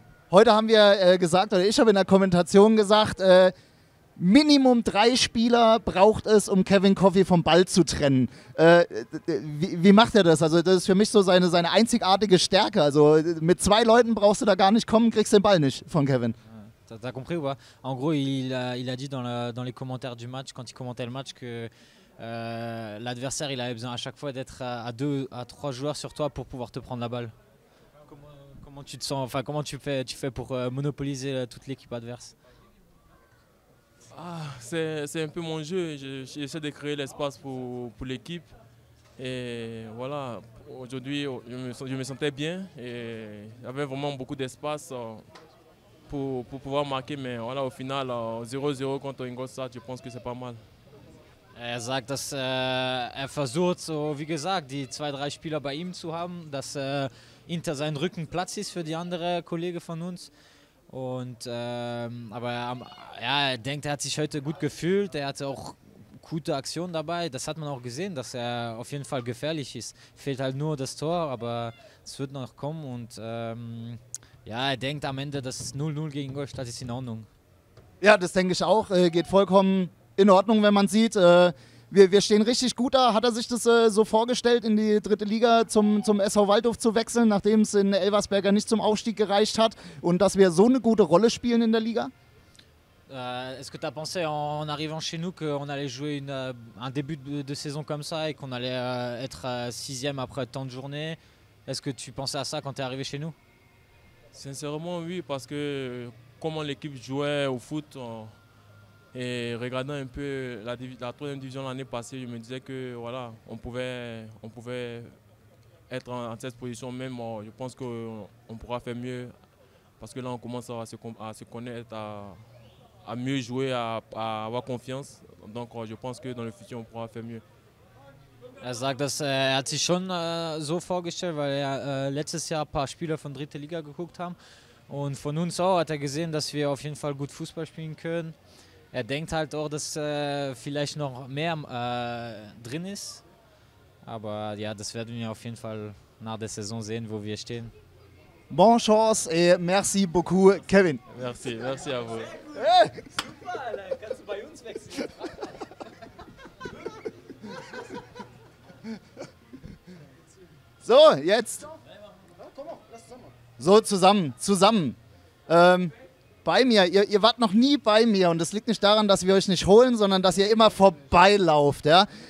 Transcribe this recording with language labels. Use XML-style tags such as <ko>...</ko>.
<de>Heute haben wir gesagt, oder ich habe in der Kommentation gesagt, Minimum 3 Spieler braucht es, um Kevin Coffee vom Ball zu trennen. Wie macht er das? Also das ist für mich so seine einzigartige Stärke. Also mit 2 Leuten brauchst du da gar nicht kommen, kriegst den Ball nicht von Kevin.</de> <fr>T'as compris, ouais? En gros, il a dit dans les commentaires du match, quand il commentait le match, que l'adversaire, il avait besoin à chaque fois d'être à 2 à 3 joueurs sur toi pour pouvoir te prendre la balle. Comment tu te sens, enfin comment tu fais pour monopoliser toute l'équipe adverse? Ah, c'est un peu mon jeu, j'essaie de créer l'espace pour l'équipe et voilà, aujourd'hui je me sentais bien et j'avais vraiment beaucoup d'espace pour pouvoir marquer, mais voilà, au final 0-0 contre Ingolstadt, je pense que c'est pas mal.</fr> <de>Er sagt, dass er versucht, so wie gesagt, die 2-3 Spieler bei ihm zu haben, dass hinter seinem Rücken Platz ist für die andere Kollegen von uns. Und aber ja, er denkt, er hat sich heute gut gefühlt, er hatte auch gute Aktionen dabei. Das hat man auch gesehen, dass er auf jeden Fall gefährlich ist. Fehlt halt nur das Tor, aber es wird noch kommen. Und ja, er denkt am Ende, dass 0-0 gegen Ingolstadt ist in Ordnung. Ja, das denke ich auch. Geht vollkommen in Ordnung, wenn man sieht. Wir stehen richtig gut da. Hat er sich das so vorgestellt, in die dritte Liga zum SV Waldhof zu wechseln, nachdem es in Elversberg nicht zum Aufstieg gereicht hat und dass wir so eine gute Rolle spielen in der Liga?</de> <fr>Est-ce que tu as pensé en arrivant chez nous qu'on allait jouer un début de saison comme ça et qu'on allait être sixième après tant de journées? Est-ce que tu pensais à ça quand tu es arrivé chez nous? Sincèrement, oui, parce que comment l'équipe jouait au foot. Et regardant un peu la troisième division l'année passée, je me disais que voilà, on pouvait être en cette position, même je pense qu'on pourra faire mieux parce que là on commence à se connaître, à mieux jouer, à avoir confiance. Donc je pense que dans le futur on pourra faire mieux.</fr> <de>Er sagt, dass er hat sich schon so vorgestellt, weil er letztes Jahr ein paar Spieler von dritte Liga geguckt haben und von uns auch hat er gesehen, dass wir auf jeden Fall gut Fußball spielen können. Er denkt halt auch, dass vielleicht noch mehr drin ist. Aber ja, das werden wir auf jeden Fall nach der Saison sehen, wo wir stehen.</de> <fr>Bonne chance et merci beaucoup, Kevin. Merci, merci à vous.</fr> <de>Super, Alter. Kannst du bei uns wechseln? So, jetzt. So, zusammen. Bei mir, ihr wart noch nie bei mir und das liegt nicht daran, dass wir euch nicht holen, sondern dass ihr immer vorbeilauft. Ja?</de>